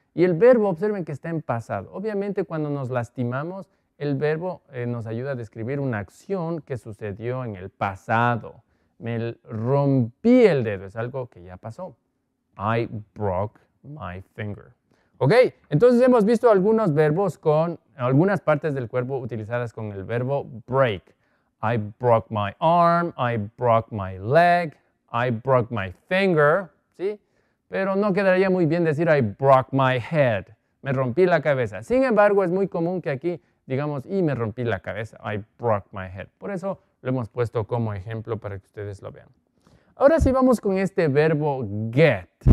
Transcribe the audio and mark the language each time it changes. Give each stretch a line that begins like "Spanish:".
Spanish: Y el verbo, observen que está en pasado. Obviamente, cuando nos lastimamos, el verbo nos ayuda a describir una acción que sucedió en el pasado. Me rompí el dedo. Es algo que ya pasó.
English: I broke my finger.
Spanish: Ok, entonces hemos visto algunos verbos con algunas partes del cuerpo utilizadas con el verbo break.
English: I broke my arm, I broke my leg, I broke my finger, ¿sí?
Spanish: Pero no quedaría muy bien decir
English: I broke my head,
Spanish: me rompí la cabeza. Sin embargo, es muy común que aquí digamos, y me rompí la cabeza,
English: I broke my head.
Spanish: Por eso lo hemos puesto como ejemplo para que ustedes lo vean. Ahora sí vamos con este verbo get.